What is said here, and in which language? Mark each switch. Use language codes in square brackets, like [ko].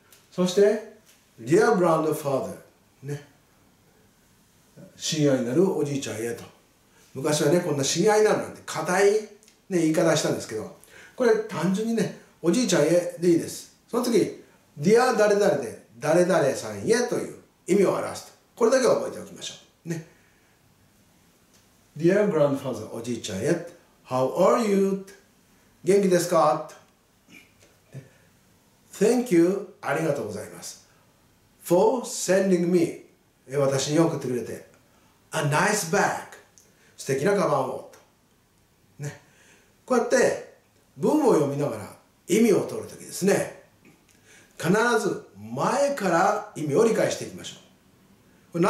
[ja] そして [en] Dear grandfather、 [ja] ね、親愛なるおじいちゃんへと。昔はね、こんな親愛なるなんて固い、ね、言い方したんですけど、これ単純にね、おじいちゃんへでいいです。その時 Dear 誰々で誰々さんへという意味を表すと、これだけは覚えておきましょうね。 Dear grandfather、 おじいちゃんへ、 [en] How are you? [ja] 元気ですか、ね、 [en] Thank you、 [ja] ありがとうございます。 [en] For sending me、 [ja] 私に送ってくれて、 [en] A nice bag、 [ja] 素敵なカバンをと、ね、こうやって文を読みながら意味を取るときですね、必ず前から意味を理解していきましょう。